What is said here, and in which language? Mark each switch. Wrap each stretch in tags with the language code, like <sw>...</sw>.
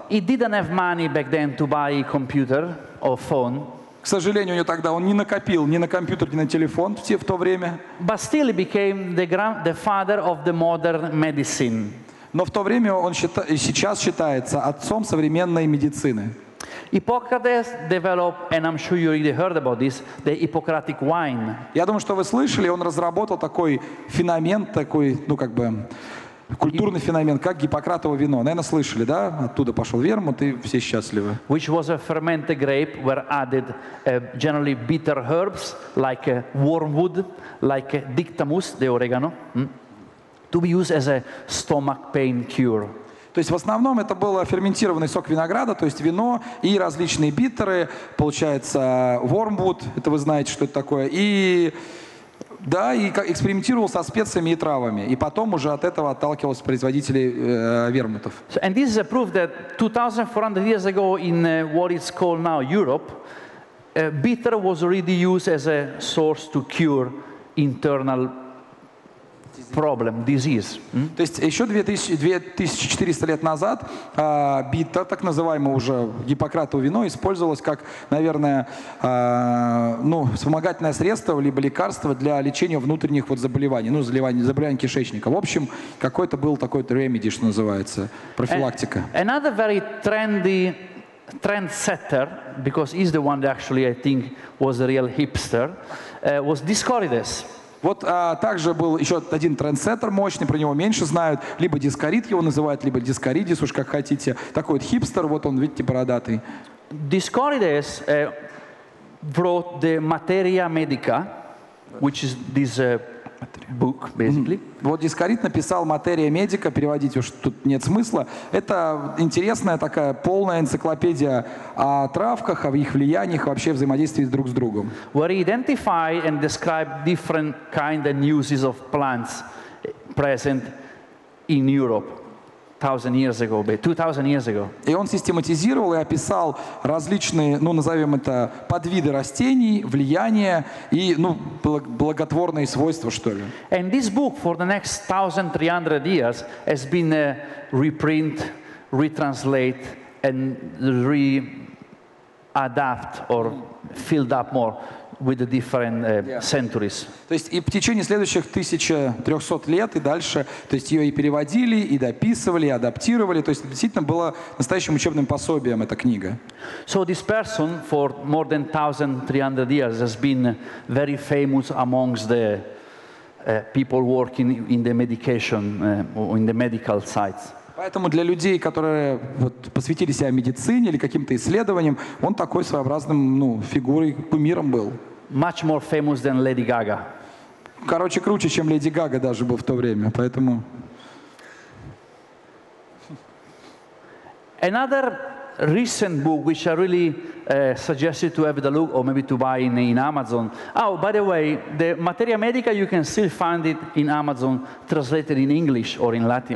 <ru>К сожалению, у него тогда он не накопил ни на компьютер, ни на телефон в то время.</ru> <en>But still he became the father of the modern medicine.</en> <ru>Но в то время он сейчас считается отцом современной медицины.</ru> <en>Hippocrates developed, and I'm sure you already heard about this, the Hippocratic wine.</en> <ru>Я думаю, что вы слышали, он разработал такой феномен, такой, ну как бы. Культурный феномен, как Гиппократово вино. Наверное, слышали, да? Оттуда пошел вермут, и все счастливы.</ru> <en>Which was a fermented grape where added generally bitter herbs like wormwood, like dictamus, the oregano, to be used as a stomach pain cure.</en> <ru>То есть в основном это был ферментированный сок винограда, то есть вино и различные биттеры, получается, wormwood, это вы знаете, что это такое, и... Да, и экспериментировал со специями и травами. И потом уже от этого отталкивался производители вермутов.</ru> <en>And this is a proof that 2400 years ago in what is called now Europe, bitter was already used as a source to cure internal problem, disease.</en> <ru>То есть еще 2400 лет назад биттер, так называемое уже Гиппократово вино, использовалось как, наверное, ну, вспомогательное средство либо лекарство для лечения внутренних вот заболеваний, ну, заболеваний кишечника. В общем, какой-то был такой ремеди, что называется, профилактика.</ru> <en>Another very trendy trendsetter, because he's the one that actually I think was a real hipster, was Dioscorides.</en> <ru>Вот также был еще один трендсеттер мощный, про него меньше знают. Либо Дискорид его называют, либо Дискоридис, уж как хотите. Такой вот хипстер, вот он, видите, бородатый.</ru> <en>Дискоридис wrote the Materia Medica, which is this book, basically.</en> <ru>Mm-hmm. Вот Дискорид написал Materia Medica, переводить уж тут нет смысла. Это интересная такая полная энциклопедия о травках, о их влияниях, вообще взаимодействии друг с другом.</ru> <en>Where he identified and described different kinds and uses of plants present in Europe. 2000 years ago.</en> <ru>И он систематизировал и описал различные, ну, назовем это, подвиды растений, влияние и, ну, благотворные свойства, что ли.</ru> <en>And this book for the next 1300 years has been reprint, retranslate and readapt or filled up more with the different centuries.</en> <ru>То есть и в течение следующих 1300 лет и дальше, то есть ее и переводили, и дописывали, и адаптировали. То есть действительно было настоящим учебным пособием эта книга.</ru> <en>So this person for more than 1300 years has been very famous amongst the people working in the medication in the medical sites.</en> <ru>Поэтому для людей, которые вот, посвятили себя медицине или каким-то исследованиям, он такой своеобразным, ну, фигурой, кумиром был.</ru> <en>Much more famous than Lady Gaga.</en> <ru>Короче, круче, чем Леди Гага даже был в то время, поэтому...</ru> <en>Another recent book, which I really suggested to have a look or maybe to buy in Amazon. Oh, by the way, the Materia Medica, you can still find it in Amazon, translated in English or in Latin.</en>